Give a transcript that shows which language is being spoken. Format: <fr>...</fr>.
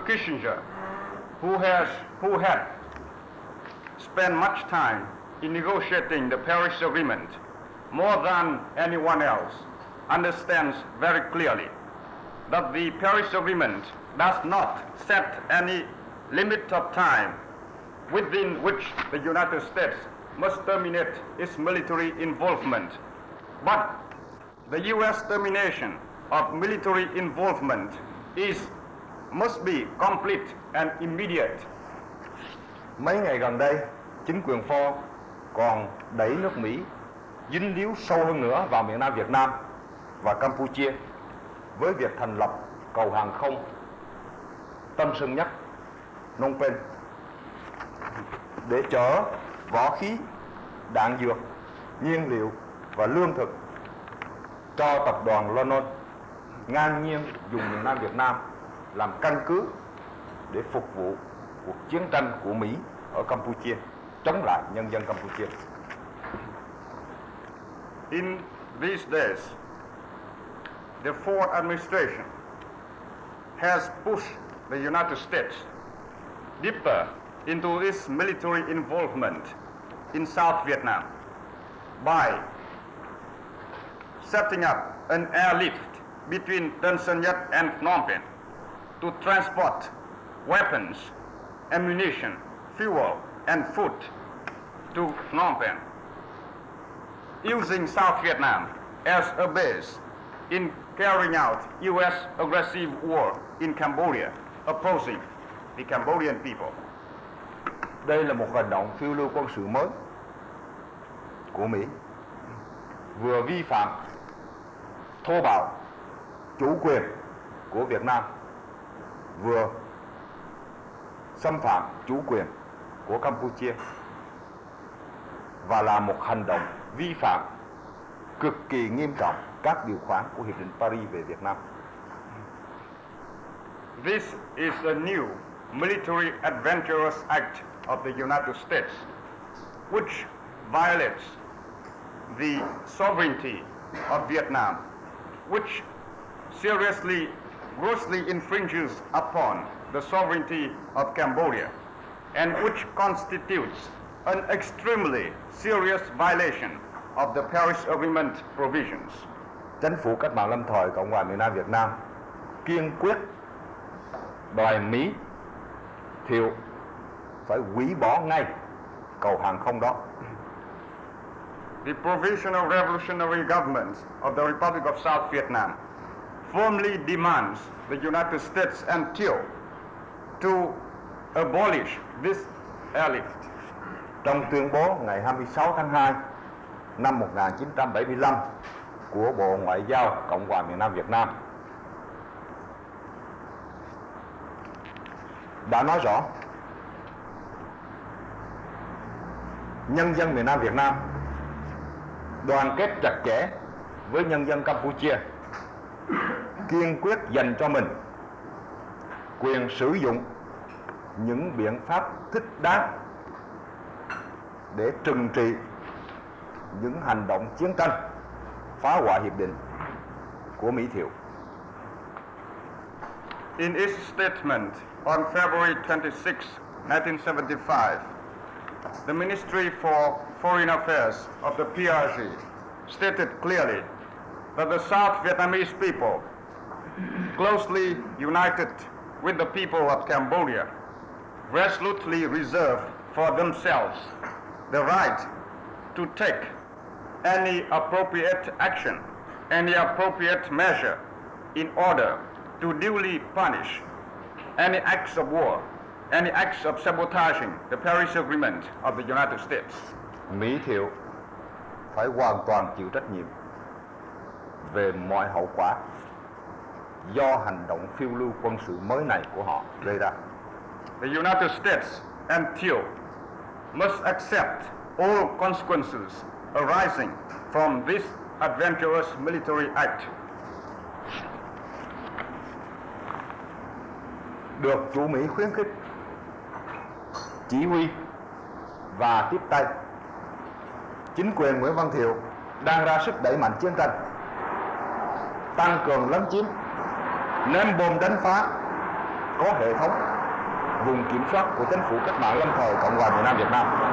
<en>Kissinger, who had spent much time in negotiating the Paris Agreement more than anyone else, understands very clearly that the Paris Agreement does not set any limit of time within which the United States must terminate its military involvement. But the U.S. termination of military involvement must be complete and immediate.</en> <vi>Mấy ngày gần đây, chính quyền Ford còn đẩy nước Mỹ dính líu sâu hơn nữa vào miền Nam Việt Nam và Campuchia với việc thành lập cầu hàng không Tân Sơn Nhất, Phnom Penh, để chở vũ khí, đạn dược, nhiên liệu và lương thực cho tập đoàn Lennon ngang nhiên dùng miền Nam Việt Nam làm căn cứ để phục vụ cuộc chiến tranh của Mỹ ở Campuchia chống lại nhân dân Campuchia.</vi> <en>In these days, the Ford administration has pushed the United States deeper into its military involvement in South Vietnam by setting up an airlift between Tân Sơn Nhất and Phnom Penh to transport weapons, ammunition, fuel, and food to Phnom Penh, using South Vietnam as a base in carrying out U.S. aggressive war in Cambodia, opposing the Cambodian people.</en> <vi>Đây là một hành động phiêu lưu quân sự mới của Mỹ, vừa vi phạm thô bạo chủ quyền của Việt Nam, vừa xâm phạm chủ quyền của Campuchia, và là một hành động vi phạm cực kỳ nghiêm trọng các điều khoản của Hiệp định Paris về Việt Nam.</vi> <en>This is a new military adventurous act of the United States, which violates the sovereignty of Vietnam, which seriously, grossly infringes upon the sovereignty of Cambodia, and which constitutes an extremely serious violation of the Paris Agreement provisions.</en> <vi>Chính phủ cách mạng lâm thời Cộng hòa miền Nam Việt Nam kiên quyết đòi Mỹ thiệu phải hủy bỏ ngay cầu hàng không đó.</vi> <en>The Provisional Revolutionary Government of the Republic of South Vietnam firmly demands the United States and Thieu to abolish this airlift.</en> <vi>Trong tuyên bố ngày 26 tháng 2 năm 1975 của Bộ Ngoại giao Cộng hòa miền Nam Việt Nam đã nói rõ, nhân dân miền Nam Việt Nam đoàn kết chặt chẽ với nhân dân Campuchia, kiên quyết dành cho mình quyền sử dụng những biện pháp thích đáng để trừng trị những hành động chiến tranh phá hoại hiệp định của Mỹ Thiệu.</vi> <en>In its statement on February 26, 1975, the Ministry for Foreign Affairs of the PRG stated clearly that the South Vietnamese people, closely united with the people of Cambodia, resolutely reserve for themselves the right to take any appropriate action, any appropriate measure in order to duly punish any acts of war, any acts of sabotaging the Paris Agreement of the United States.</en> <vi>Mỹ Thiệu phải hoàn toàn chịu trách nhiệm về mọi hậu quả do hành động phiêu lưu quân sự mới này của họ gây ra.</vi> <en>The United States and Thieu must accept all consequences arising from this adventurous military act.</en> <vi>Được chủ Mỹ khuyến khích, chỉ huy và tiếp tay, chính quyền Nguyễn Văn Thiệu đang ra sức đẩy mạnh chiến tranh, tăng cường lấn chiếm, ném bom đánh phá có hệ thống vùng kiểm soát của chính phủ cách mạng lâm thời Cộng hòa miền Nam Việt Nam.</vi>